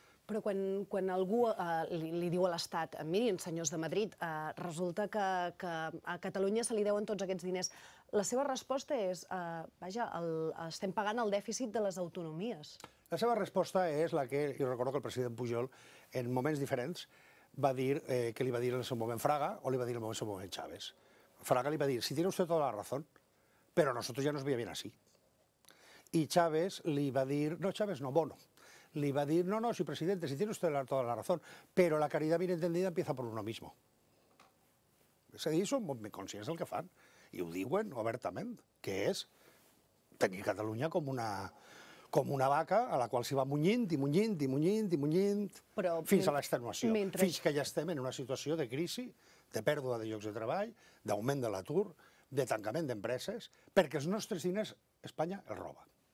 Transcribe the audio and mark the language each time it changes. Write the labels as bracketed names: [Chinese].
[Catalan] Però quan algú li diu a l'Estat, mirin, senyors de Madrid, resulta que a Catalunya se li deuen tots aquests diners, la seva resposta és, vaja, estem pagant el dèficit de les autonomies. La seva resposta és la que, jo recordo que el president Pujol, en moments diferents, va dir que li va dir en el seu moment Fraga o li va dir en el seu moment Chávez. Fraga li va dir, [Spanish] si tiene usted toda la razón, pero nosotros ya nos veía bien así. [Catalan] I Chávez li va dir, no, Chávez no, Bono. Li va dir, no, no, [Spanish] si presidente, si tiene usted toda la razón, pero la caridad bien entendida empieza por uno mismo. [Catalan] És a dir, són molt conscients del que fan, i ho diuen obertament, que és tenir Catalunya com una vaca a la qual s'hi va munyint fins a l'extenuació, fins que ja estem en una situació de crisi, de pèrdua de llocs de treball, d'augment de l'atur, de tancament d'empreses, perquè els nostres diners Espanya els roba.